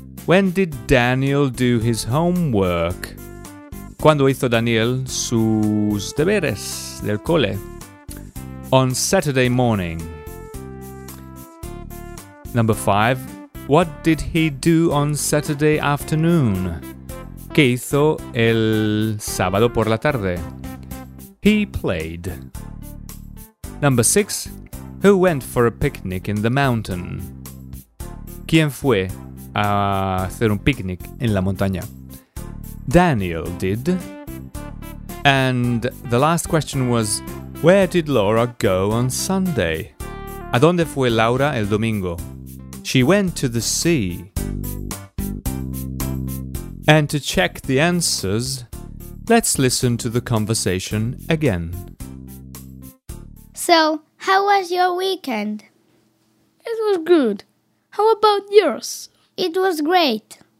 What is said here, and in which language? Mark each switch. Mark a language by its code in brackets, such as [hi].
[en] When did Daniel do his homework? [es] ¿Cuándo hizo Daniel sus deberes del cole? [en] On Saturday morning. Number 5. What did he do on Saturday afternoon? [es] ¿Qué hizo el sábado por la tarde? [en] He played. Number 6. Who went for a picnic in the mountain? [es] ¿Quién fue a hacer un picnic en la montaña? [en] Daniel did. And the last question was, where did Laura go on Sunday? [es] ¿A dónde fue Laura el domingo? [en] She went to the sea. And to check the answers, let's listen to the conversation again. So, how was your weekend? It was good. How about yours? It was great.